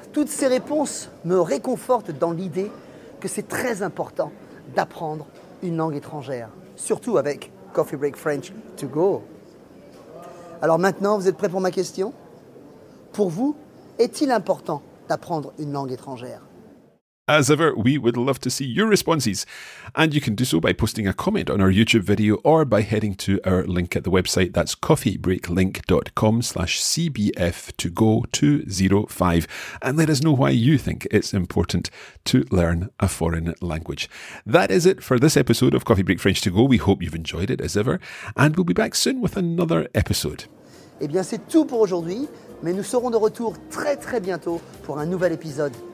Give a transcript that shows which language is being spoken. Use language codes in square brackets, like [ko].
[fr] Toutes ces réponses me réconfortent dans l'idée que c'est très important d'apprendre une langue étrangère. Surtout avec Coffee Break French to go. Alors maintenant, vous êtes prêts pour ma question ? Pour vous, est-il important d'apprendre une langue étrangère ? [en] As ever, we would love to see your responses. And you can do so by posting a comment on our YouTube video or by heading to our link at the website. That's coffeebreaklink.com/CBF2Go205. And let us know why you think it's important to learn a foreign language. That is it for this episode of Coffee Break French to Go. We hope you've enjoyed it as ever. And we'll be back soon with another episode. [fr] Eh bien, c'est tout pour aujourd'hui. Mais nous serons de retour très, très bientôt pour un nouvel épisode.